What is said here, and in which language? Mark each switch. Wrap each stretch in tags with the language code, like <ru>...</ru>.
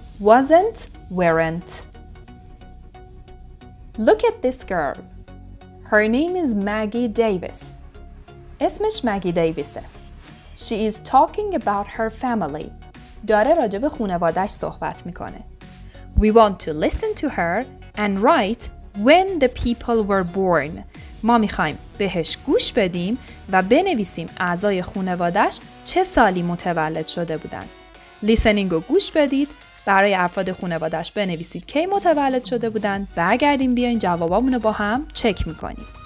<en>wasn't, weren't. Look at this girl. Her name is Maggie Davis.</en> <fa>اسمش مگی دیویسه.</fa> <en>She is talking about her family.</en> <fa>داره راجع به خانواده‌اش صحبت میکنه.</fa> <en>We want to listen to her and write when the people were born.</en> <fa>ما میخواییم بهش گوش بدیم و بنویسیم اعضای خانواده‌اش چه سالی متولد شده بودن. لیسنینگ رو گوش بدید. برای افراد خانواده‌اش بنویسید کی متولد شده بودن. برگردیم بیاین جوابامونو با هم چک میکنیم.</fa>